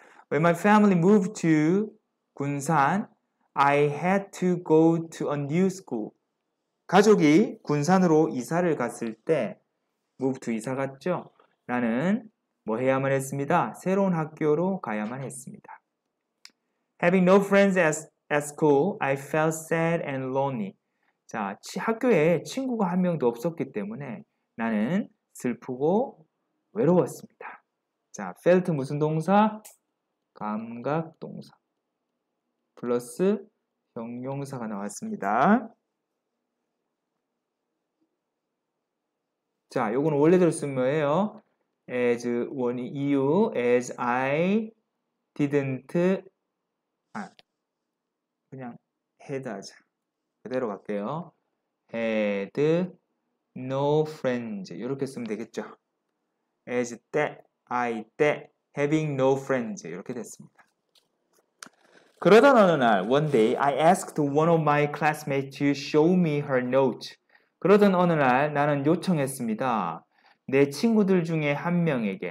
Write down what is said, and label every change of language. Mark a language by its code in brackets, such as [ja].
[en] When my family moved to 군산, I had to go to a new school. [ko] 가족이 군산으로 이사를 갔을 때, [en] move to [ko] 이사 갔죠? 나는 뭐 해야만 했습니다. 새로운 학교로 가야만 했습니다. [en] Having no friends at school, I felt sad and lonely. [ko] 자, 학교에 친구가 한 명도 없었기 때문에 나는 슬프고 외로웠습니다. 자, felt 무슨 동사? 감각 동사. 플러스 형용사가 나왔습니다. 자, 요거는 원래대로 쓴 거예요. As 원인 이유, [en] as I didn't, [ko] 아, 그냥 had 하자. 그대로 갈게요. [en] Had no friends. [ko] 이렇게 쓰면 되겠죠. [en] As that, I that, having no friends. [ko] 이렇게 됐습니다. 그러던 어느 날, [en] one day, I asked one of my classmates to show me her notes. [ko] 그러던 어느 날, 나는 요청했습니다. 내 친구들 중에 한 명.